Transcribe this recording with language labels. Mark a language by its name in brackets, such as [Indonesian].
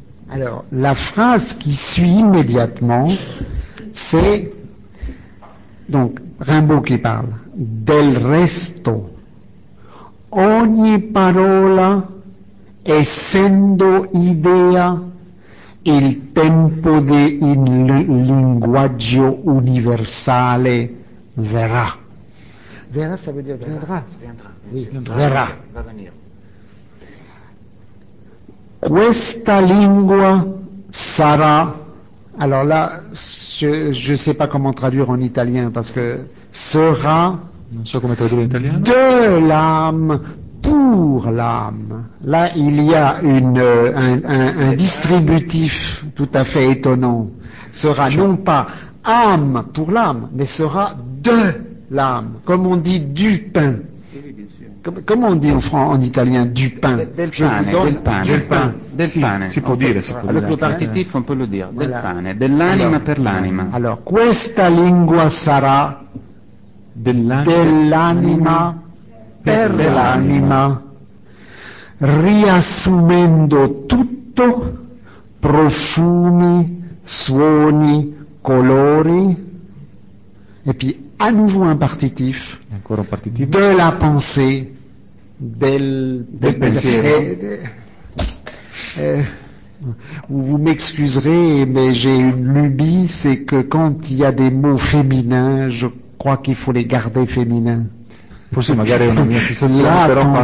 [French] Alors la phrase qui suit immédiatement c'est donc, Rimbaud qui parle. [Italian] Del resto, ogni parola, essendo idea, il tempo di un linguaggio universale verrà. [French] Verrà, ça veut dire viendra. Viendra. [Italian] Verrà. [French] Va venir. [Italian] Questa lingua sarà. [French] Alors là, je ne sais pas comment traduire en italien, parce que sera [Italian] non so come traduire in italiano. [French] De l'âme, pour l'âme. Là, il y a un distributif tout à fait étonnant. Sera non pas âme pour l'âme, mais sera de l'âme, comme on dit du pain. Comment on dit en italien du pain? [Italian] Del pane. Si può dire. [French] Avec le participe, on peut le dire. [Italian] Del pane. Dell'anima allora, per l'anima. Alors, questa lingua sarà dell'anima per l'anima, riassumendo tutto, profumi, suoni, colori, e [French] puis à nouveau un [Italian] partitif. Ancora un partitif. [French] De la pensée. [Italian] Del pensiero. [French] Vous m'excuserez, mais j'ai une lubie, c'est que quand il y a des mots féminins, je crois qu'il faut les garder féminins. [Italian] Forse magari è una mia fissazione, però quando...